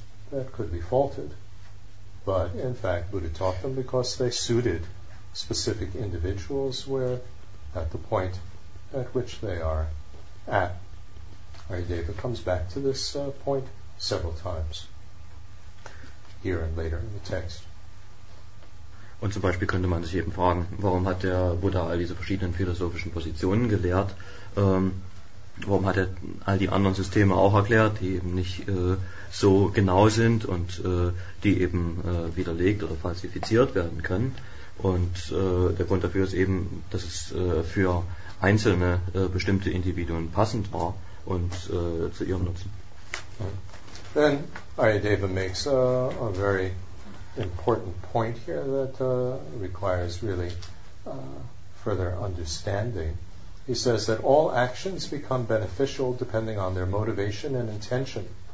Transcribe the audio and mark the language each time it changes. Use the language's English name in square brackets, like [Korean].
[English] That could be faulted. But in fact, Buddha taught them because they suited specific individuals where at the point at which they are at. Aryadeva comes back to this point several times here and later in the text. [German] Und zum Beispiel könnte man sich eben fragen, warum hat der Buddha all diese verschiedenen philosophischen Positionen gelehrt? Warum hat er all die anderen Systeme auch erklärt, die eben nicht so genau sind und die eben widerlegt oder falsifiziert werden können? Und der Grund dafür ist eben, dass es für einzelne bestimmte Individuen passend war und zu ihrem Nutzen. [English] Then Aryadeva makes a very important point here that requires really further understanding. He says that all actions become beneficial depending on their motivation and intention.